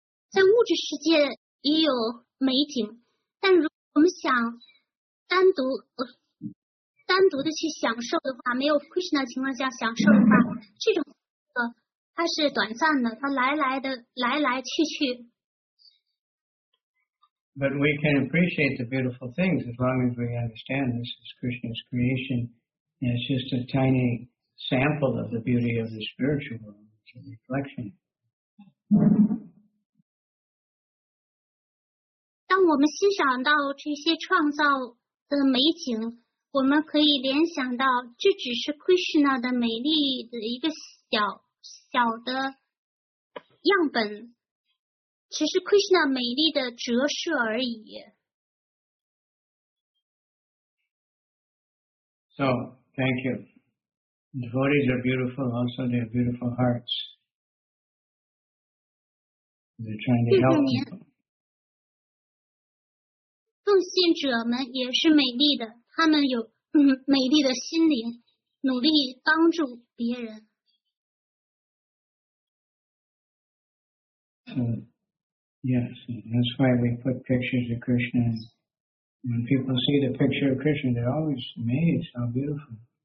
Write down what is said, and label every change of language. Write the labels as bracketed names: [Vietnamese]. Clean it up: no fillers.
[Chinese] 在物质世界也有美景，但如果我们想单独的去享受的话，没有 Krishna 的情况下享受的话，这种它是短暂的，它来来去去。 [English] But we can appreciate the beautiful things as long as we understand this is Krishna's creation. And it's just a tiny sample of the beauty of the spiritual world. It's a reflection. [Chinese] 当我们欣赏到这些创造的美景，我们可以联想到这只是 Krishna 的美丽的一个小小的样本。只是 Krishna 美丽的折射而已。 [English] So, thank you. Devotees are beautiful, also they have beautiful hearts. They're trying to help people. [Chinese] 奉献者们也是美丽的，他们有美丽的心灵，努力帮助别人。 [English] Yes, that's why we put pictures of Krishna. When people see the picture of Krishna, they're always amazed how beautiful.